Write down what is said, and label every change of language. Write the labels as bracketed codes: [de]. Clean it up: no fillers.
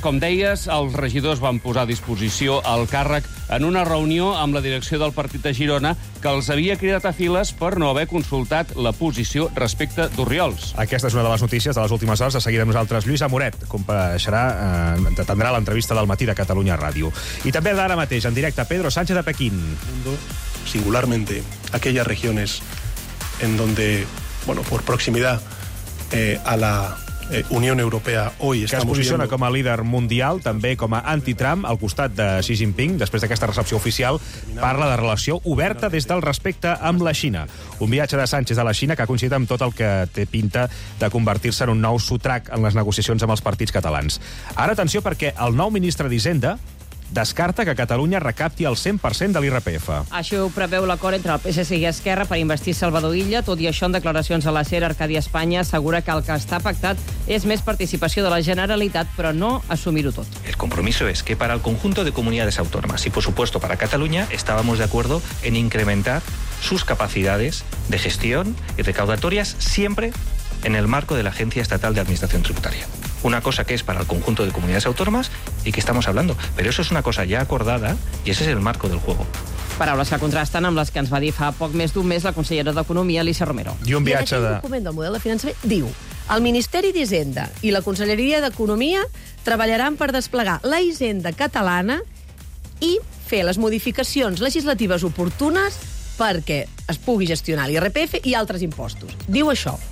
[ca] Com deies, els regidors van posar a disposició el càrrec en una reunió amb la direcció del partit de Girona que els havia cridat a files per no haver consultat la posició respecte d'Orriols. Aquesta és una de les notícies de les últimes hores. De seguida nosaltres, Lluïsa Moret, compareixerà, atendrà l'entrevista del matí de Catalunya Ràdio. I també d'ara mateix, en directe, Pedro Sánchez de Pequín. [es] Singularmente, [ca] aquelles regions [es] en donde, bueno, por proximidad a la Unió Europea hoy [ca] que es posiciona viendo... com a líder mundial, també com a anti-Trump, al costat de Xi Jinping, després d'aquesta recepció oficial, parla de relació oberta des del respecte amb la Xina. Un viatge de Sánchez a la Xina que ha coincidit amb tot el que té pinta de convertir-se en un nou sotrac en les negociacions amb els partits catalans. Ara atenció perquè el nou ministre d'Hisenda descarta que Catalunya recapti el 100% de l'IRPF. Això ho preveu l'acord entre el PSC i Esquerra per investir Salvador Illa. Tot i això, en declaracions a la SER, Arcadi Espanya assegura que el que està pactat és més participació de la Generalitat, però no assumir-ho tot. [es] El compromiso es que para el conjunto de comunidades autónomas y, por supuesto, para Cataluña, estábamos de acuerdo en incrementar sus capacidades de gestión y recaudatorias siempre en el marco de la Agencia Estatal de Administración Tributaria. Una cosa que es para el conjunto de comunidades autónomas y que estamos hablando. Pero eso es una cosa ya acordada y ese es el marco del juego. [ca] Paraules que contrasten amb les que ens va dir fa poc més d'un mes la consellera d'Economia, Alicia Romero. I un viatge de... I en aquest document del model de finançament diu... El Ministeri d'Hisenda i la Conselleria d'Economia treballaran per desplegar la hisenda catalana i fer les modificacions legislatives oportunes perquè es pugui gestionar l'IRPF i altres impostos. Diu això.